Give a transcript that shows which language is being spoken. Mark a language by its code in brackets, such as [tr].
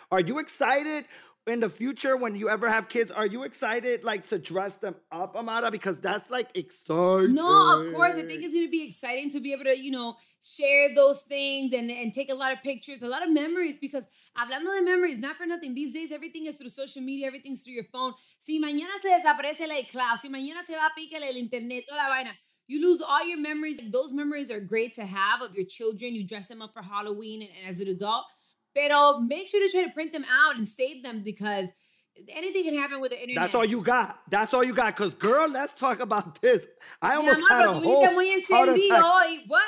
[en] Are you excited in the future when you ever have kids? Are you excited like to dress them up, Amara? Because that's like exciting. No, of course. I think it's going to be exciting to be able to, you know, share those things and take a lot of pictures, a lot of memories, because [es] hablando de [en] memories, not for nothing. These days, everything is through social media. Everything's through your phone. [es] Si mañana se desaparece la clase, si mañana se va a picar el internet, toda la vaina. [en] You lose all your memories. Like, those memories are great to have of your children. You dress them up for Halloween and as an adult. [es] Pero [en] make sure to try to print them out and save them because anything can happen with the internet. That's all you got. That's all you got. Because, girl, let's talk about this. I almost had a whole heart attack.